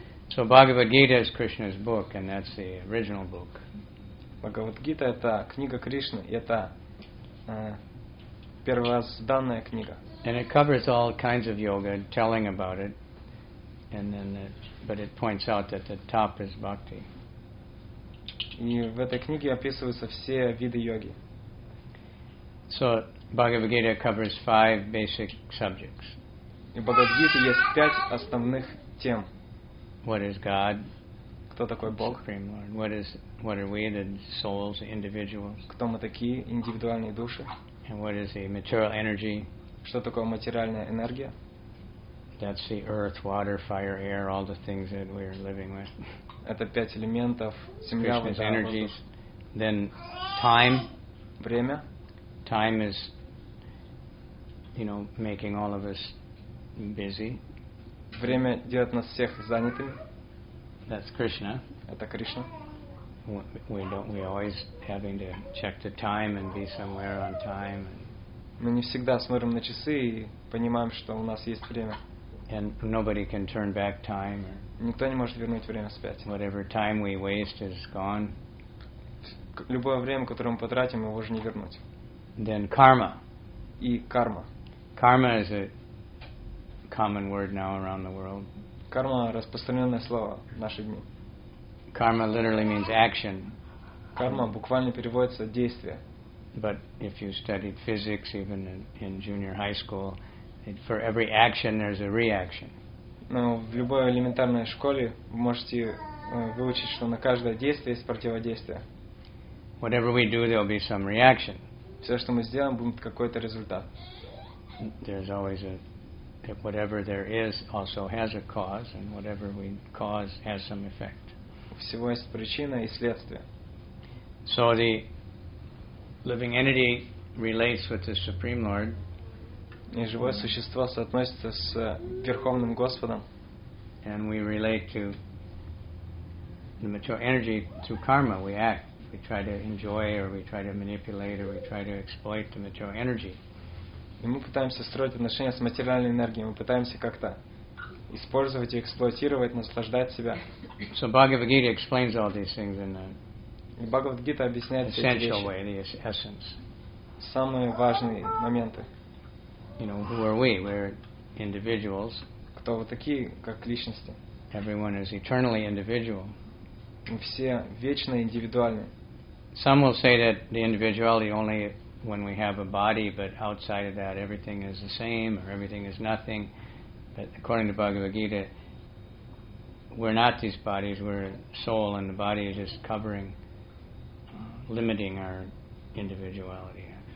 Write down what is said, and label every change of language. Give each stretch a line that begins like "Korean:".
English: So Bhagavad Gita is Krishna's book, and that's the original book.
Russian: Bhagavad Gita это книга Кришны, это первозданная книга.
English: And it covers all kinds of yoga, telling about it, and then but it points out that the top is bhakti.
Russian: И в этой книге описываются все виды йоги.
English: So Bhagavad Gita covers 5 basic subjects.
Russian: И в Bhagavad Gita есть 5 основных тем.
English: What is God?
Russian: Кто такой Бог?
English: Supreme Lord. What are we, the souls, the individuals?
Russian: Кто мы такие, индивидуальные души?
English: And what is the material energy?
Russian: Что такое материальная энергия?
English: That's the earth, water, fire, air, all the things that we are living with.
Russian: Это 5 элементов, земля, вода, воздух.
English: Then time.
Russian: Время.
English: Time is, you know, making all of us busy.
Russian: Время делает нас всех занятыми.
English: That's Krishna.
Russian: Это Кришна.
English: We always having to check the time and be somewhere on time.
Russian: Мы не всегда смотрим на часы и понимаем, что у нас есть время.
English: And nobody can turn back time.
Russian: Никто не может вернуть время вспять.
English: Whatever time we waste is gone.
Russian: Любое время, которое мы потратим, его уже не вернуть.
English: Then karma.
Russian: И карма.
English: Karma is a common word now around the world.
Russian: Карма распространенное слово в наши дни.
English: Karma literally means action.
Russian: Карма буквально переводится действие.
English: But if you studied physics even in junior high school, for every action there's a reaction.
Russian: Но в любой элементарной школе вы можете выучить, что на каждое действие есть противодействие.
English: Whatever we do, there'll be some reaction.
Russian: Все, что мы сделаем, будет какой-то результат.
English: There's always a that whatever there is also has a cause, and whatever we cause has some effect.
Russian: Всего есть причина и следствие.
English: So the living entity relates with the Supreme Lord.
Russian: И живое существо соотносится с Верховным Господом.
English: And we relate to the material energy through karma. We act. We try to enjoy, or we try to manipulate, or we try to exploit the material energy.
Russian: И мы пытаемся строить отношения с материальной энергией. Мы пытаемся как-то использовать и эксплуатировать, наслаждать себя.
English: So Bhagavad Gita explains all these things in a
Russian: Bhagavad Gita объясняет эти вещи.
English: Essential way, the essence.
Russian: Самые важные моменты.
English: You know, who are we? We're individuals.
Russian: Кто вы такие, как личности?
English: Everyone is eternally individual.
Russian: Все вечно индивидуальны.
English: Some will say that the individuality only when we have a body, but outside of that everything is the same or everything is nothing. But according to Bhagavad Gita, we're not these bodies, we're a soul, and the body is just covering, limiting our individuality.